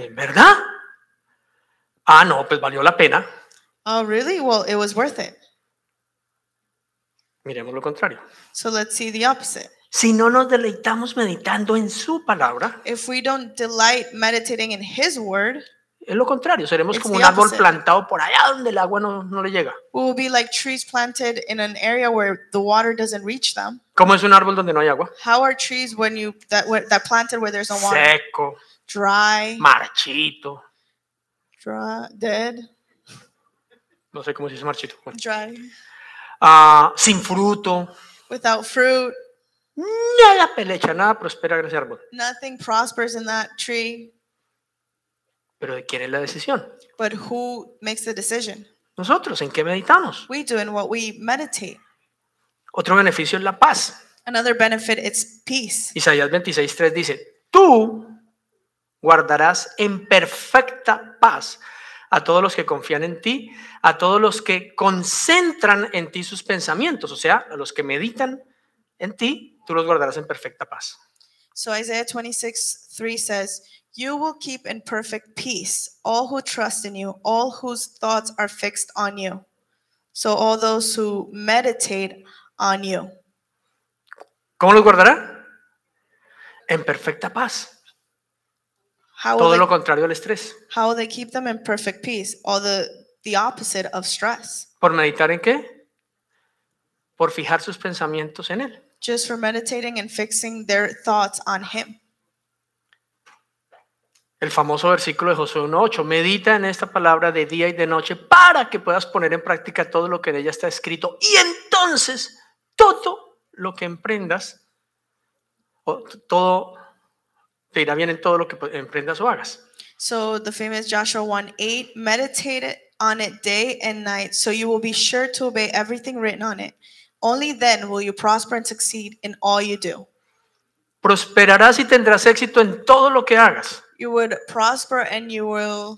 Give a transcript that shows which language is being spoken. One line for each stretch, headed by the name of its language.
Spanish: ¿Verdad? Ah, no, pues valió la pena.
English: Oh, really? Well, it was worth it.
Spanish: Miremos lo contrario.
English: So let's see the opposite.
Spanish: Si no nos deleitamos meditando en su palabra,
English: if we don't delight meditating in his word,
Spanish: es lo contrario, seremos como un árbol plantado por allá donde el agua no le llega.
English: We will be like trees planted in an area where the water doesn't reach them.
Spanish: ¿Cómo es un árbol donde no hay agua?
English: How are trees when you that planted where there's no water?
Spanish: Seco.
English: Dry.
Spanish: Marchito.
English: Dead.
Spanish: No sé cómo se dice marchito. Bueno.
English: Dry.
Spanish: Sin fruto.
English: Without fruit.
Spanish: Nada pelecha, nada prospera en ese árbol.
English: Nothing prospers in that tree.
Spanish: Pero ¿de quién es la decisión?
English: But who makes the decision?
Spanish: Nosotros, ¿en qué meditamos?
English: We do in what we meditate.
Spanish: Otro beneficio es la paz.
English: Another benefit is peace.
Spanish: Isaías 26:3 dice, tú guardarás en perfecta paz a todos los que confían en ti, a todos los que concentran en ti sus pensamientos, o sea, a los que meditan en ti, tú los guardarás en perfecta paz.
English: So Isaiah 26:3 says, you will keep in perfect peace all who trust in you, all whose thoughts are fixed on you. So all those who meditate on you.
Spanish: ¿Cómo los guardará? En perfecta paz. Todo lo contrario al estrés.
English: How will they keep them in perfect peace? Or the opposite of stress.
Spanish: ¿Por meditar en qué? Por fijar sus pensamientos en él.
English: Just for meditating and fixing their thoughts on him.
Spanish: El famoso versículo de Josué 1:8. Medita en esta palabra de día y de noche para que puedas poner en práctica todo lo que en ella está escrito. Y entonces, todo lo que emprendas, todo te irá bien en todo lo que emprendas o hagas.
English: So the famous Joshua 1:8, meditate on it day and night, so you will be sure to obey everything written on it. Only then will you prosper and succeed in all you do.
Spanish: Prosperarás y tendrás éxito en todo lo que hagas.
English: You would prosper and you will